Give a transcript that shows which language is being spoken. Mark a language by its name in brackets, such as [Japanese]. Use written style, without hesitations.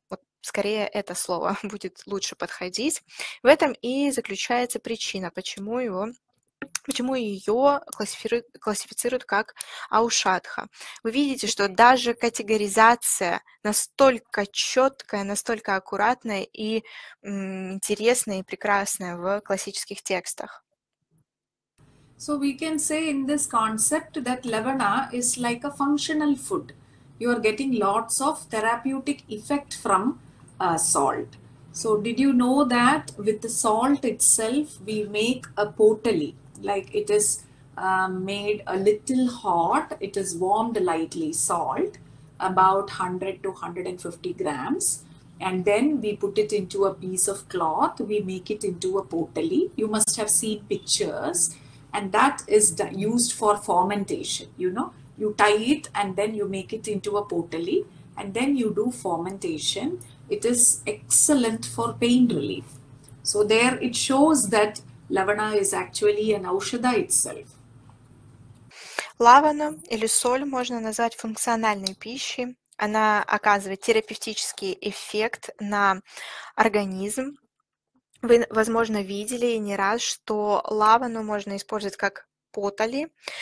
[Russian] Вот скорее это слово будет лучше подходить. В этом и заключается причина, почему ее классифицируют как аушадха. Вы видите, что даже категоризация настолько четкая, настолько аккуратная и интересная, и прекрасная в классических текстах. [English] So we can say in this concept that lavana is like a functional food. You are getting lots of therapeutic effect from salt. So did you know that with the salt itself we make a potali? Like it is made a little hot, it is warmed lightly, salt, about 100 to 150 grams. And then we put it into a piece of cloth, we make it into a potali. You must have seen pictures. And that is used for fermentation, you know. You tie it and then you make it into a potali and then you do fermentation. It is excellent for pain relief. So there it shows that lavana is actually an aushadha itself. [Russian] Лавана или соль можно назвать функциональной пищей. Она оказывает терапевтический эффект на организм. Вы, возможно, видели не раз, что лавану можно использовать как потали.